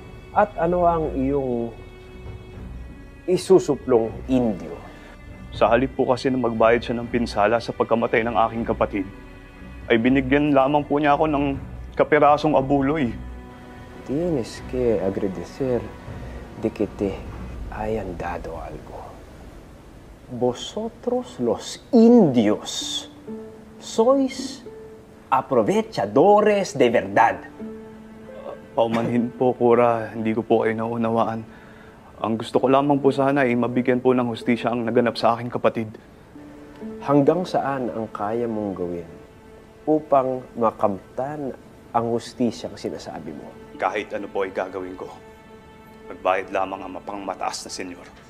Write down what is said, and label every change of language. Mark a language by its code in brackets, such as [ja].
[tl] At ano ang iyong isusuplong indio? Sa halip po kasi na magbayad siya ng pinsala sa pagkamatay ng aking kapatid, ay binigyan lamang po niya ako ng kapirasong abuloy. [es] Tienes que agradecer de que te hayan dado algo. Vosotros los indios sois aprovechadores de verdad. [tl] Paumanhin po, Cora. Hindi ko po kayo nauunawaan. Ang gusto ko lamang po sana ay mabigyan po ng hustisya ang naganap sa aking kapatid. Hanggang saan ang kaya mong gawin upang makamtan ang hustisya ang sinasabi mo? Kahit ano po ay gagawin ko, magbayad lamang ang mapangmataas na senyor.